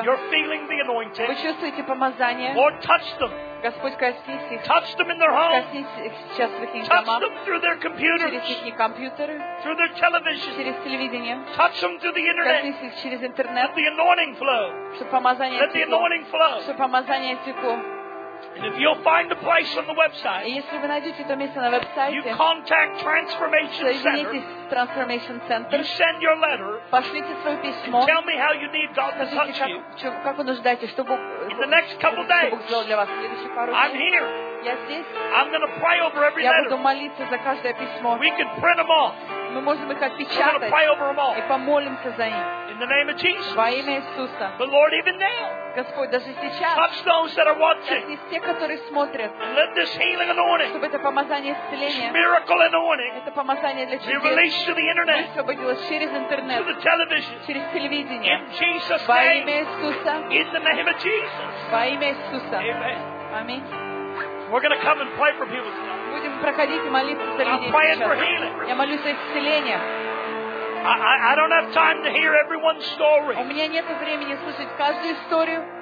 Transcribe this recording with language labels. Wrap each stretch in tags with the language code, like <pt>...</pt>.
<en>You're feeling the anointing.</en> <ru>Вы чувствуете помазание.</ru> <en>Lord, touch them.</en> <ru>Господь, коснись их.</ru> <en>Touch them in their homes.</en> <ru>Коснись их сейчас в их домах.</ru> <en>Touch them through their computers.</en> <ru>Через их компьютеры.</ru> <en>Through their television.</en> <ru>Через телевидение.</ru> <en>Touch them through the internet.</en> <ru>Коснись их через интернет.</ru> <en>Let the anointing flow.</en> <ru>Чтобы помазание текло.</ru> <en>Let the anointing flow.</en> <ru>Чтобы помазание текло.</ru> <en>And if you'll find a place on the website,</en> <ru>и если вы найдете то место на веб-сайте,</ru> <en>you contact Transformation Center.</en> <ru>Соединитесь с Transformation Center.</ru> <en>You send your letter.</en> <ru>Пошлите свое письмо.</ru> <en>Tell me how you need God to touch you.</en> <ru>Как вы нуждаетесь, чтобы Бог сделал для вас?</ru> <en>In the next couple days, I'm here.</en> <ru>Я здесь.</ru> <en>I'm going to pray over every letter.</en> <ru>Я буду молиться за каждое письмо.</ru> <en>We can print them off.</en> <ru>Мы можем их отпечатать и помолимся за них.</ru> <en>In the name of Jesus.</en> <ru>Во имя Иисуса.</ru> <en>But Lord, even now.</en> <ru>Господь, даже сейчас.</ru> <en>Touch those that are watching.</en> <ru>Коснись те, которые смотрят.</ru> <en>And let this healing anointing.</en> <ru>Чтобы это помазание исцеления.</ru> <en>Miracle anointing.</en> <ru>Это помазание для чудес.</ru> <en>Be released to the internet.</en> <ru>Высвободилось через интернет.</ru> <en>To the television.</en> <ru>Через телевидение.</ru> <en>In Jesus' name.</en> <ru>Во имя Иисуса.</ru> <en>In the name of Jesus.</en> <ru>Во имя Иисуса.</ru> <en>Amen.</en> <ru>Аминь.</ru> <en>We're going to come and pray for people tonight.</en> <ru>Будем проходить и молиться за людей.</ru> <en>I'm praying for healing.</en> <ru>Я молюсь о исцелении.</ru> <en>I don't have time to hear everyone's story.</en> <ru>У меня нет времени слушать каждую историю.</ru>